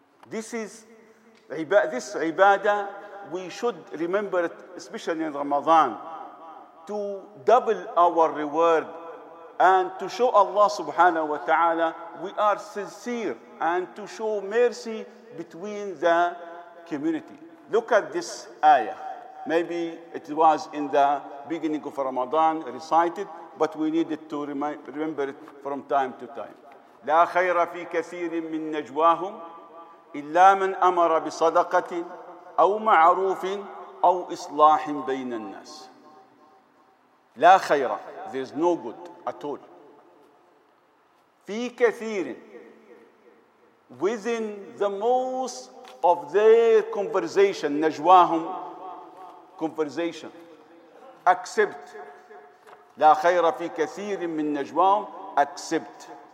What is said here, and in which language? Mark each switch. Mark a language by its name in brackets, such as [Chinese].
[English] This ibadah, we should remember it, especially in Ramadan, to double our reward and to show Allah subhanahu wa ta'ala we are sincere, and to show mercy between the community. Look at this ayah. Maybe it was in the beginning of Ramadan recited, but we needed to remember it from time to time. [Arabic] لا خير في كثير من نجواهم إلا من أمر بصدقة أو معروف أو إصلاح بين الناس. لا خير, [English] there is no good at all. [Arabic] في كثير, [English] within the most of their conversation, نجواهم conversation, accept. [Arabic] لا خير في كثير من نجواهم, [English] accept.